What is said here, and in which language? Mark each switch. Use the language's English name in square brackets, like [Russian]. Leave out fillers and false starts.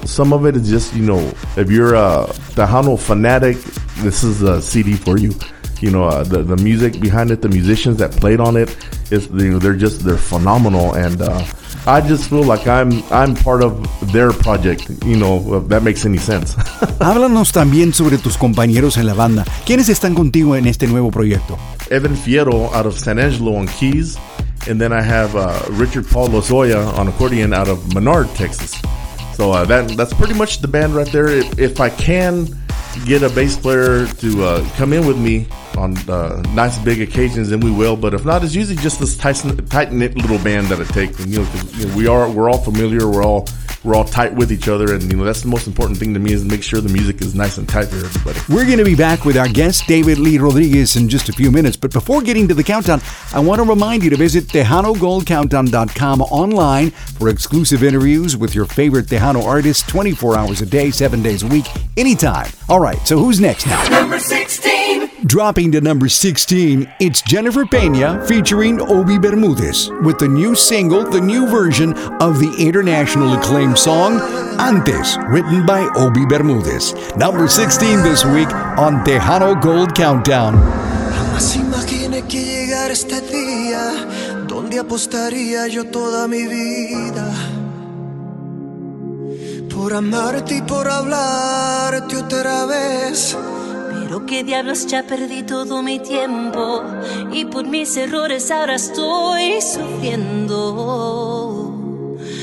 [English] Some of it is just, you know, if you're a Tejano fanatic, this is a CD for you. You know, the music behind it, the musicians that played on it, is, you know, they're phenomenal. And I just feel like I'm part of their project, you know, if that makes any sense. [Spanish] Háblanos también sobre tus compañeros en la banda. ¿Quiénes están contigo en este nuevo proyecto? [English] Evan Fierro out of San Angelo on keys. And then I have Richard Paul Lozoya on accordion out of Menard, Texas. So that's pretty much the band right there. If I can get a bass player to come in with me on nice big occasions, then we will. But if not, it's usually just this tight-knit little band that I take. And, you know, cause, you know, we're all familiar. We're all tight with each other. And, you know, that's the most important thing to me, is to make sure the music is nice and tight for everybody. We're going to be back with our guest, David Lee Rodriguez, in just a few minutes. But before getting to the countdown, I want to remind you to visit TejanoGoldCountdown.com online for exclusive interviews with your favorite Tejano artists 24 hours a day, 7 days a week, anytime. All right, so who's next now? Number 16. Dropping to number 16, it's Jennifer Pena featuring Obi Bermudez with the new single, the new version of the international acclaimed song, Antes, written by Obi Bermudez. Number 16 this week on Tejano Gold Countdown. [Spanish] Jamás imaginé que llegara este día, donde apostaría yo toda mi vida. Por amarte y por hablarte otra vez. Pero qué diablos, ya perdí todo mi tiempo y por mis errores ahora estoy sufriendo.